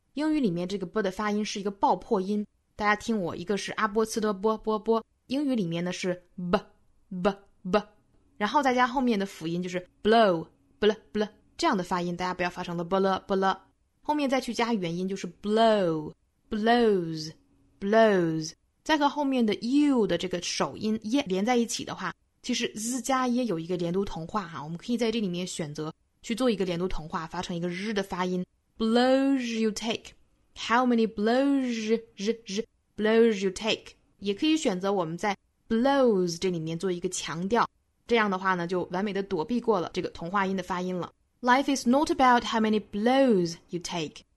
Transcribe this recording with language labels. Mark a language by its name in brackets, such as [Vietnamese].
[Chinese] 英语里面这个 b 的发音是一个爆破音，大家听我，一个是阿波茨的波波波，英语里面呢是 b b b， 然后再加后面的辅音就是 blow blah blah 这样的发音，大家不要发成了 blah blah， 后面再去加元音就是 blows。再和后面的 you 的这个首音 ye 连在一起的话，其实 z 加 ye 有一个连读同化哈，我们可以在这里面选择去做一个连读同化，发成一个 r 的发音。 [English] Blows you take, how many blows you take? [Chinese] 也可以选择我们在 blows 这里面做一个强调，这样的话呢，就完美的躲避过了这个同化音的发音了。 [English] Life is not about how many blows you take.